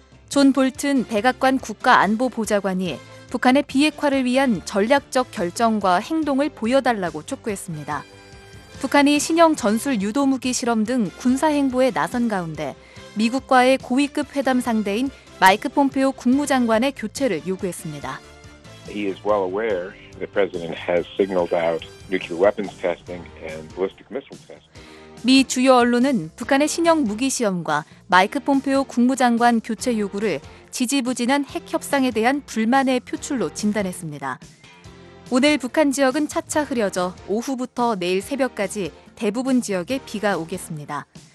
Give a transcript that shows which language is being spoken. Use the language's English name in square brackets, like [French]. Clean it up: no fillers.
[Korean] 존 볼튼 백악관 국가안보보좌관이 북한의 비핵화를 위한 전략적 결정과 행동을 보여달라고 촉구했습니다. 북한이 신형 전술 유도무기 실험 등 군사 행보에 나선 가운데 미국과의 고위급 회담 상대인 마이크 폼페오 국무장관의 교체를 요구했습니다. [English] He is well aware the president has signaled out nuclear weapons testing and ballistic missile testing. [Korean] 미 주요 언론은 북한의 신형 무기 시험과 마이크 폼페오 국무장관 교체 요구를 지지부진한 핵 협상에 대한 불만의 표출로 진단했습니다. 오늘 북한 지역은 차차 흐려져 오후부터 내일 새벽까지 대부분 지역에 비가 오겠습니다.